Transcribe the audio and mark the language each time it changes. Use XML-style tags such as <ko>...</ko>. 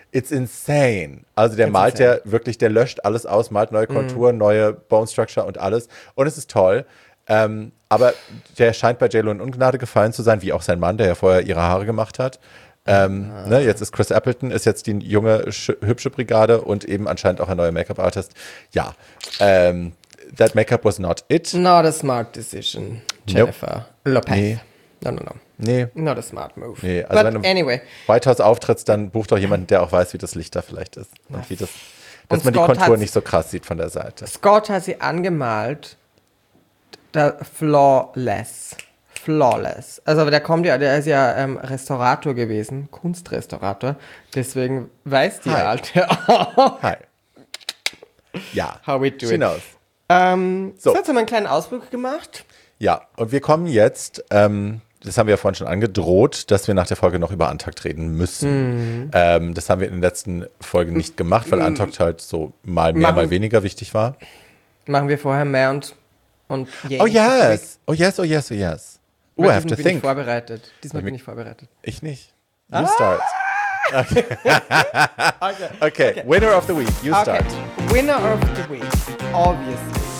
<en>It's insane.</en> <de>Also der malt ja wirklich, der löscht alles aus, malt neue Konturen, neue Bone Structure und alles. Und es ist toll. Aber der scheint bei J-Lo in Ungnade gefallen zu sein, wie auch sein Mann, der ja vorher ihre Haare gemacht hat. Ne, jetzt ist Chris Appleton, ist jetzt die junge, hübsche Brigade und eben anscheinend auch ein neuer Make-up-Artist.</de> <en>Ja, that makeup was not it. Not a smart decision, Jennifer Lopez.</en> <de>Nee.</de> <en>No.</en> <de>Nee.</de> <en>Not a smart move.</en> <de>Nee.</de> <en>Also but anyway.</en> <de>White House auftritt, dann bucht doch jemanden, der auch weiß, wie das Licht da vielleicht ist. Und wie das, dass und man Scott die Kontur nicht so krass sieht von der Seite. Scott hat sie angemalt, flawless. Flawless. Also der kommt ja, der ist ja Restaurator gewesen, Kunstrestaurator. Deswegen weiß die</de> <en>Hi.</en> <de>Alte. Hi. Ja.</de> <en>How we do she it. Knows. So.</en> <de>Jetzt haben wir einen kleinen Ausflug gemacht. Ja, und wir kommen jetzt, das haben wir ja vorhin schon angedroht, dass wir nach der Folge noch über Antakt reden müssen. Mhm. Das haben wir in den letzten Folgen nicht gemacht, weil Antakt halt so mal mehr, mal weniger wichtig war. Machen wir vorher mehr und</de> <en>yay. Oh yes, oh yes, oh yes, oh yes. Oh, I have to think.</en> <de>Ich bin vorbereitet. Diesmal bin ich vorbereitet. Ich nicht.</de> <en>You start. Okay. Okay, winner of the week, you start. Okay. Winner of the week, obviously.</en>